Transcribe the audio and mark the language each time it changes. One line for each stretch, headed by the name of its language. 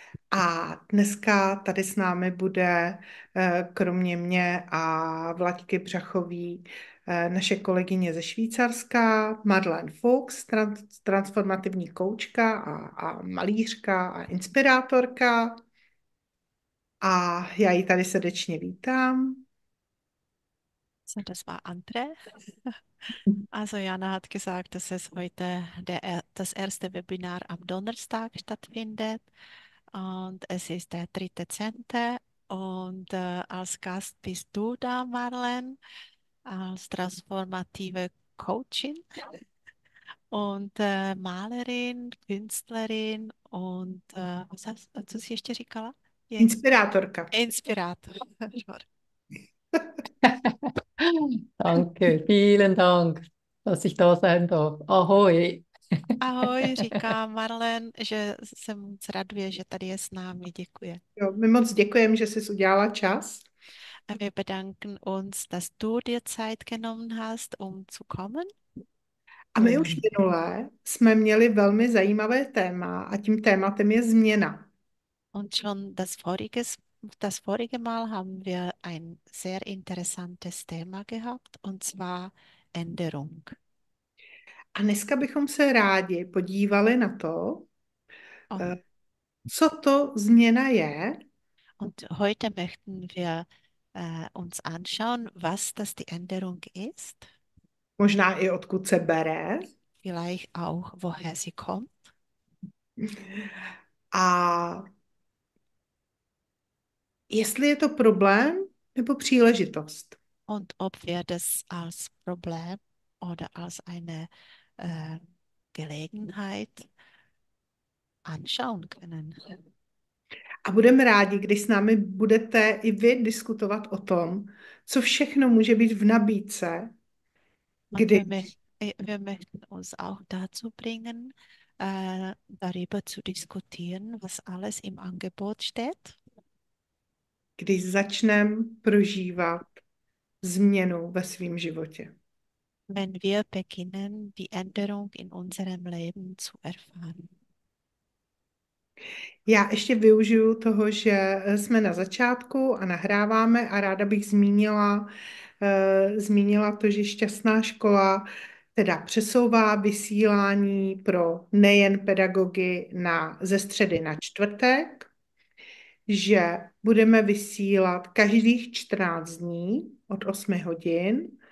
Czech: A dneska tady s námi bude kromě mě a Vlaďky Břachový naše kolegyně ze Švýcarska, Madeleine Fuchs, transformativní koučka a malířka a inspirátorka. A já ji tady srdečně vítám. Jsem to svá Andre.
German: Also, já hat gesagt, dass es heute das erste Webinar am Donnerstag stattfindet. Und es ist der 3. 10. Und als Gast bist du da, Marlen, als transformative Coachin und Malerin, Künstlerin und was hast du sie
Czech: ještě říkala? Je Inspirátorka.
German: Inspirator. Danke, vielen Dank, dass ich da sein darf.
Czech: Ahoj. Ahoj, říká Marlen, že se moc raduje, že tady je s námi. Děkuje. Jo, my moc děkujeme, že jsi udělala čas.
German: A wir bedanken uns, dass du dir Zeit genommen hast, um zu kommen.
Czech: A my už minule jsme měli velmi zajímavé téma a tím tématem je změna.
German: Und schon das vorige Mal haben wir ein sehr interessantes Thema gehabt, und zwar Änderung.
Czech: A dneska bychom se rádi podívali na to, co to změna je.
German: Und heute möchten wir uns anschauen, was das die Änderung ist.
Czech: Možná i odkud se bere.
German: Vielleicht auch, woher sie kommt.
Czech: A jestli je to problém nebo příležitost.
German: Und ob wir das als Problem oder als eine Gelegenheit anschauen können.
Czech: A budeme rádi, když s námi budete i vy diskutovat o tom, co všechno může být v nabídce,
German: Und
Czech: když.
German: wir möchten uns auch dazu bringen, darüber zu diskutieren, was alles im Angebot steht.
Czech: Když začneme prožívat změnu ve svém životě.
German: Wenn wir beginnen, die Änderung in unserem Leben zu erfahren.
Czech: Já ještě využiju toho, že jsme na začátku a nahráváme a ráda bych zmínila to, že Šťastná škola teda přesouvá vysílání pro nejen pedagogy ze středy na čtvrtek, že budeme vysílat každých 14 dní od 8 hodin.